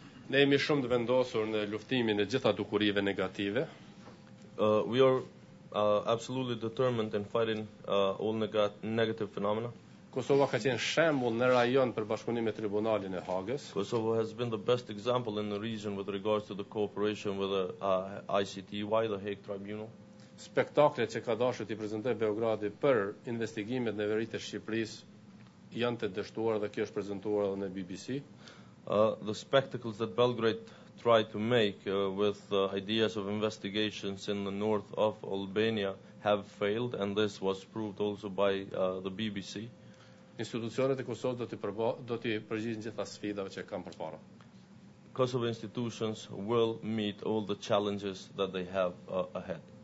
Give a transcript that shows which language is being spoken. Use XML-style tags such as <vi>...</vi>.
<sq>Ne jemi shumë të vendosur në luftimin e gjitha dukurive negative.</sq> <en>Absolutely determined in fighting all negative phenomena.</en> <sq>Kosova ka qenë shembull në rajon për bashkëpunim me tribunalin e Hagës.</sq> <en>Kosovo has been the best example in the region with regards to the cooperation with the ICTY, the Hague Tribunal.</en> <sq>Spektaklet që ka dashur t'i prezantoj Beogradi për investigimet në veritë të Shqipërisë janë të dështuara dhe kjo është prezantuar edhe në BBC.</sq> <en>The spectacles that Belgrade try to make with ideas of investigations in the north of Albania have failed, and this was proved also by the BBC.</en> <sq>Institucionet e Kosovës do t'i përgjigjen gjitha sfidave që kanë përpara.</sq> <en>Kosovo institutions will meet all the challenges that they have ahead.</en>